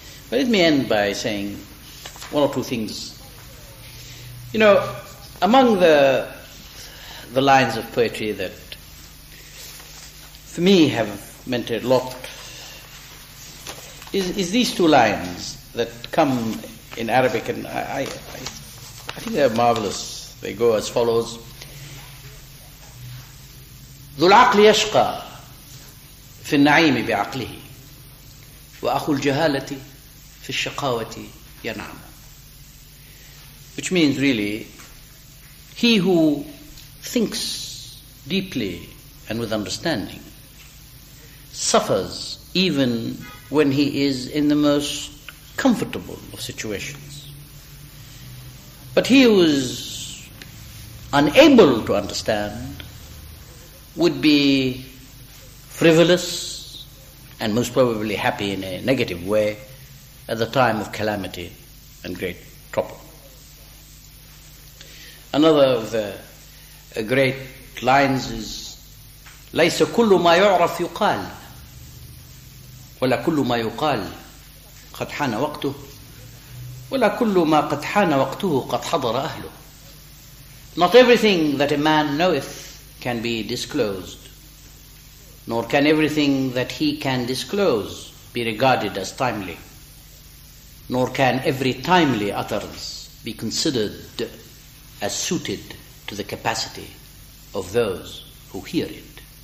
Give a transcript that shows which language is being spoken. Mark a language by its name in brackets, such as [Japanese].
[English] But let me end by saying one or two things. You know, among the lines of poetry that for me have meant a lot is these two lines that come in Arabic, and I think they're marvelous. They go as follows: [Arabic] ذو العقل يشقى في النعيم بعقله وأخو الجهالة في الشقاوة ينعم. [English] Which means, really, he who thinks deeply and with understanding suffers even when he is in the most comfortable of situations. But he who is unable to understand would be frivolous and most probably happy in a negative way at the time of calamity and great trouble. Another of the great lines is, [Arabic] ليس كل ما يعرف يقال ولا كل ما يقال قد حان وقته ولا كل ما قد حان وقته قد حضر أهله. [English] Not everything that a man knoweth can be disclosed, nor can everything that he can disclose be regarded as timely, nor can every timely utterance be considered as suited to the capacity of those who hear it.